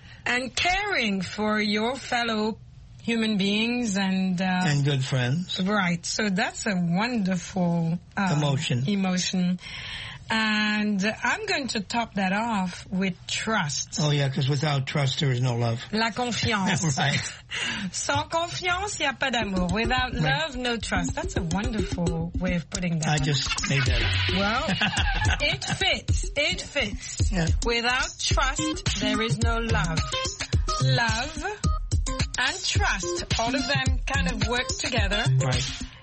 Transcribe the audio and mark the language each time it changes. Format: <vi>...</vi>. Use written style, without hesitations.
<en>And caring for your fellow human beings and... And good friends. Right. So that's a wonderful... Emotion. Emotion. And I'm going to top that off with trust. Oh, yeah, because without trust, there is no love.</en> <fr>La confiance.</fr> <en>Right.</en> <fr>Sans confiance, il n'y a pas d'amour.</fr> <en>Without love, no trust. That's a wonderful way of putting that. I just made that up. Well, it fits. It fits. Yeah. Without trust, there is no love. Love and trust, all of them kind of work together. Right.</en>